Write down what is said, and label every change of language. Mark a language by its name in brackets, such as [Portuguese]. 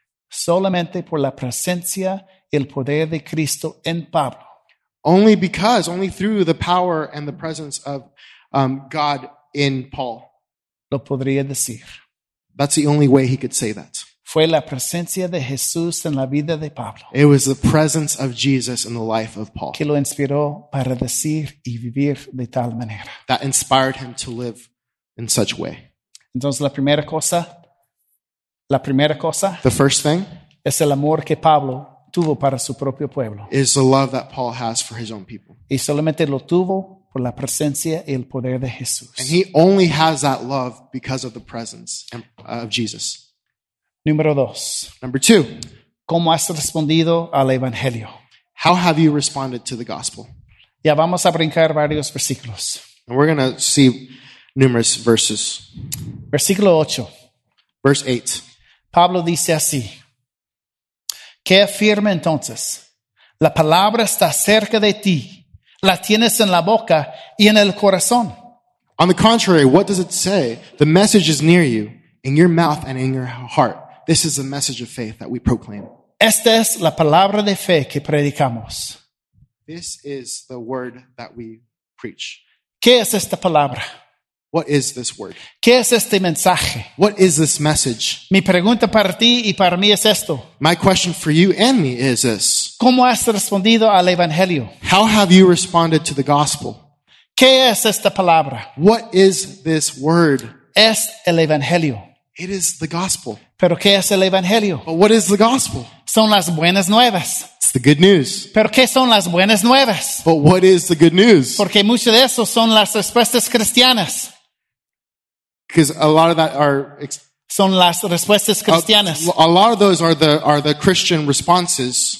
[Spanish] Solamente por la presencia y el poder de Cristo en Pablo. [English] Only through the power and the presence of God in Paul. [Spanish] Lo podría decir. [English] That's the only way he could say that. [Spanish] Fue la presencia de Jesús en la vida de Pablo. [English] It was the presence of Jesus in the life of Paul. [Spanish] Que lo inspiró para decir y vivir de tal manera. [English] That inspired him to live in such way. [Spanish] Entonces la primera cosa. [English] The first thing. [Spanish] Es el amor que Pablo tuvo para su propio pueblo. [English] Is the love that Paul has for his own people. [Spanish] Y solamente lo tuvo por la presencia y el poder de Jesús. [English] And he only has that love because of the presence of Jesus. [Spanish] Número dos. [English] Number two. [Spanish] ¿Cómo has respondido al Evangelio? [English] How have you responded to the gospel? [Spanish] Ya vamos a brincar varios versículos. [English] And we're going to see numerous verses. [Spanish] Versículo 8. [English] Verse 8. [Spanish] Pablo dice así. ¿Qué afirma entonces? La palabra está cerca de ti. La tienes en la boca y en el corazón. [English] On the contrary, what does it say? The message is near you, in your mouth and in your heart. This is the message of faith that we proclaim. [Spanish] Esta es la palabra de fe que predicamos. [English] This is the word that we preach. [Spanish] ¿Qué es esta palabra? [English] What is this word? [Spanish] ¿Qué es este mensaje? [English] What is this message? [Spanish] Mi pregunta para ti y para mí es esto. [English] My question for you and me is this. [Spanish] ¿Cómo has respondido al evangelio? [English] How have you responded to the gospel? [Spanish] ¿Qué es esta palabra? [English] What is this word? [Spanish] Es el evangelio. [English] It is the gospel. [Spanish] ¿Pero qué es el evangelio? [English] But what is the gospel? [Spanish] Son las buenas nuevas. [English] It's the good news. [Spanish] ¿Pero qué son las buenas nuevas? [English] But what is the good news? [Spanish] Porque mucho de eso son las respuestas cristianas. [English] Because a lot of that are [Spanish] son las respuestas cristianas. [English] A lot of those are the Christian responses.